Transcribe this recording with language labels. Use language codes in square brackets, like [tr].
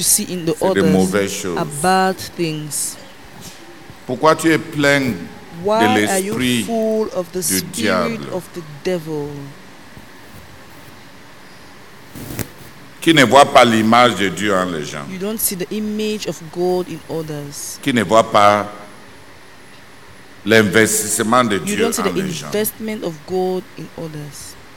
[fr] c'est des mauvaises choses? [en] Are bad things. [fr] Pourquoi tu es plein [en] why [fr] de l'esprit [en] are you full of the [fr] du diable? [en] Of the devil? [fr] Qui ne voit pas l'image de Dieu en les gens. [en] You don't see the image of God in others. [fr] Qui ne voit pas l'investissement de Dieu en les gens. [en] You don't see the investment of God in others.